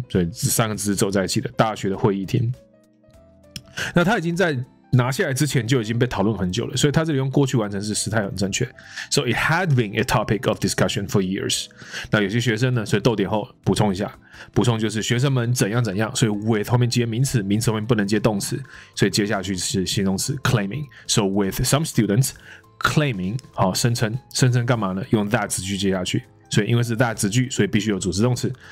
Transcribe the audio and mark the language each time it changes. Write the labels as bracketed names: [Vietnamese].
[Chinese] 所以这三个字走在一起的大学的会议厅。那他已经在拿下来之前就已经被讨论很久了，所以他这里用过去完成式时态很正确。 [English] So it had been a topic of discussion for years。 [Chinese] 那有些学生呢，所以逗点后补充一下，补充就是学生们怎样怎样，所以 with 后面接名词，名词后面不能接动词，所以接下去是形容词 claiming。 [English] So with some students claiming， [Chinese] 好，声称干嘛呢？用 that 子句接下去。所以因为是 that 子句，所以必须有主词动词。